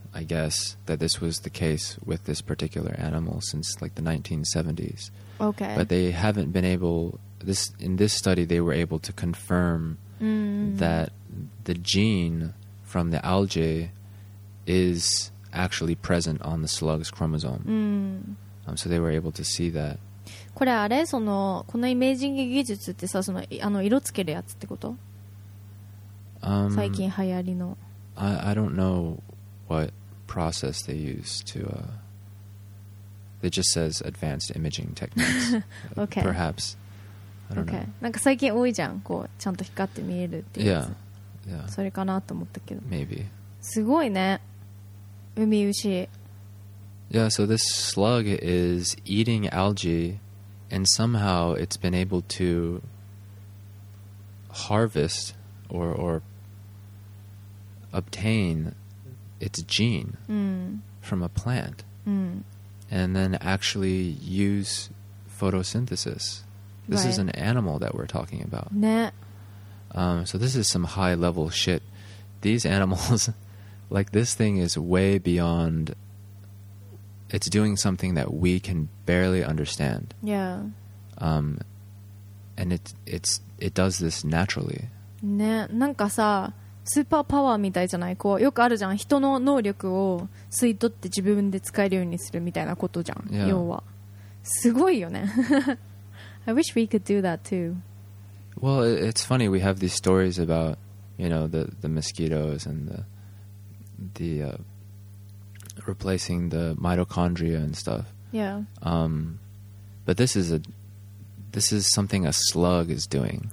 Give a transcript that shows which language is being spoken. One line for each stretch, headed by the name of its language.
English: I guess that this was the case with this particular animal since like the 1970s. Okay. But they haven't been able, in this study, they were able to confirm that the gene from the algae is actually present on the slug's chromosome. So they were able to see that.
Japanese: これあれ？その、このイメージング技術ってさ、その、あの、色つけるやつってこと？最近流行りの。
English: I don't know what. Process they use to it just says advanced imaging techniques. Okay. Perhaps. I don't okay. know.
Japanese: なんか最近多いじゃん。こうちゃんと光って見えるっていう。
English: Yeah. Yeah.
Japanese: それかなと思ったけど。
English: Maybe.
Japanese: すごいね。ウミウシ。
English: Yeah. So this slug is eating algae, and somehow it's been able to harvest or obtain. It's gene from a plant and then actually use photosynthesis. This is an animal that we're talking about. So this is some high level shit. These animals, like this thing is way beyond, it's doing something that we can barely understand. Yeah. And it does this naturally.
Japanese: ね、なんかさ、スーパーパワーみたいじゃないこうよくあるじゃん人の能力を吸い取って自分で使えるようにするみたいなことじゃん、
English: yeah.
Japanese: 要はすごいよね
English: I wish we could do that too Well, it's funny we have these stories about you know, the mosquitoes and the replacing the mitochondria and stuff Yeah But this is something a slug is doing.